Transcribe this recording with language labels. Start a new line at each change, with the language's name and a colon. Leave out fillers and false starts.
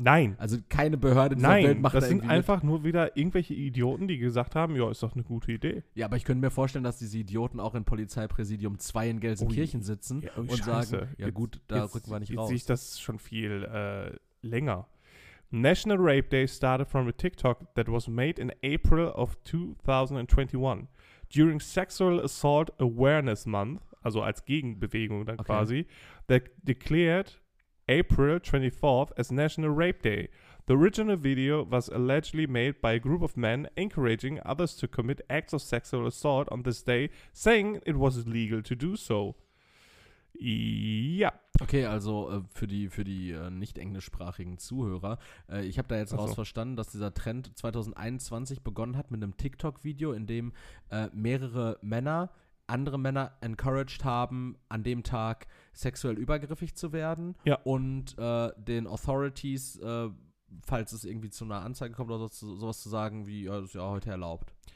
German: Nein. Also keine Behörde dieser Welt macht das irgendwie. Nein, das sind einfach nur wieder irgendwelche Idioten, die gesagt haben, ja, ist doch eine gute Idee. Ja, aber ich könnte mir vorstellen, dass diese Idioten auch in Polizeipräsidium 2 in Gelsenkirchen sitzen und sagen, ja gut, da rücken wir nicht raus. Jetzt sehe ich das schon viel länger.
English: National Rape Day started from a TikTok that was made in April of 2021. During Sexual Assault Awareness Month,
German: also als Gegenbewegung dann quasi,
English: that declared April 24th as National Rape Day. The original video was allegedly made by a group of men encouraging others to commit acts of sexual assault on this day, saying it was legal to do so.
German: Ja. Okay, also für die nicht englischsprachigen Zuhörer, ich habe da jetzt raus verstanden, dass dieser Trend 2021 begonnen hat mit einem TikTok-Video, in dem mehrere Männer andere Männer encouraged haben, an dem Tag sexuell übergriffig zu werden und den Authorities, falls es irgendwie zu einer Anzeige kommt oder sowas zu sagen, wie ja, das ist ja heute erlaubt.